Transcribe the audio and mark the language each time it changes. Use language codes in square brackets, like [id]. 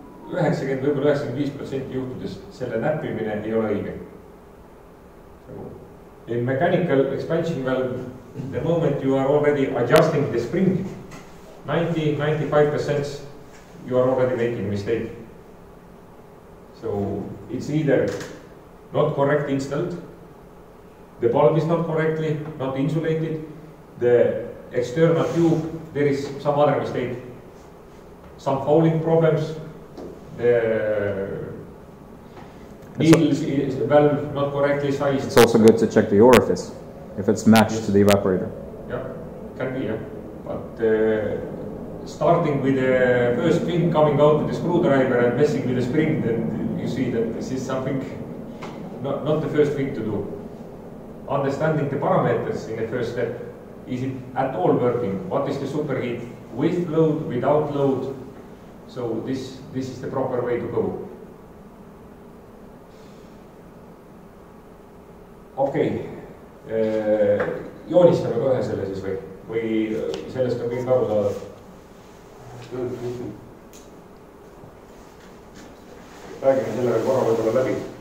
[et] 90, võibolla 95% juhtudest selle näppimine ei ole õige. [en] In mechanical expansion valve, the moment you are already adjusting the spring, 90-95% you are already making a mistake. So it's either not correct installed, the bulb is not correctly, not insulated, the external tube, there is some other mistake, some fouling problems, the needles is valve not correctly sized. It's also good to check the orifice, if it's matched yes. to the evaporator. Yeah, can be, yeah. But starting with the first pin coming out with the screwdriver and messing with the spring, then you see that this is something not the first thing to do. Understanding the parameters in the first step, is it at all working? What is the superheat with load, without load? So this is the proper way to go. [et] Okay, joonistame kohe selle siis või sellest on kõik aru saada. Räägime selle korra võtule läbi.